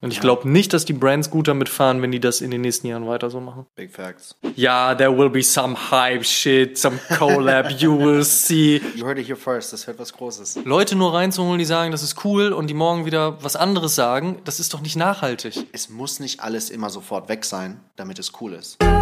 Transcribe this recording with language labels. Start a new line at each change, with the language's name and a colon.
German: Und ich glaube nicht, dass die Brands gut damit fahren, wenn die das in den nächsten Jahren weiter so machen.
English: Big facts. Ja, there will be some hype shit, some collab, you will see. You heard it here first,
German: das wird was Großes. Leute nur reinzuholen, die sagen, das ist cool und die morgen wieder was anderes sagen, das ist doch nicht nachhaltig. Es muss nicht alles immer sofort weg sein, damit es cool ist.